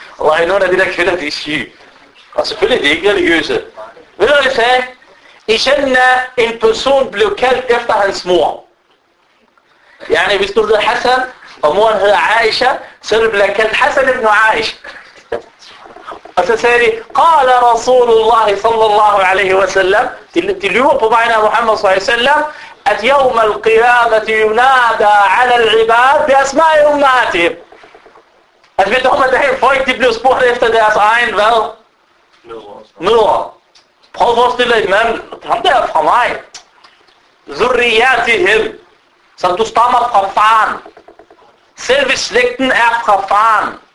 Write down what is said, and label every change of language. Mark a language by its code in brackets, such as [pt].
[da] Allah, nogle af de der kvinder, de er syge. Og selvfølgelig er de ikke religiøse. Ved du hvad de sagde? I Janna, en person blev kaldt efter hans mor. Yani, hvis du hedder Hassan, og moren hedder Aisha, så er du blevet kaldt Hassan ibn Aisha. Og så sagde de, [ar] قال رسول الله صلى الله عليه وسلم, [da] de lyver på vegne af Muhammad [ar] صلى الله عليه وسلم, at يوم القيامة ينادى على العباد بأسماء أمهاتهم. [da] At ved du om, at der folk, de blev spurgt efter deres egen, hvad? Mødre. Prøv at forestille dig, men ham der er fra mig. Zurriyatihim. Så du stammer fra faren. Selve slægten er fra faren.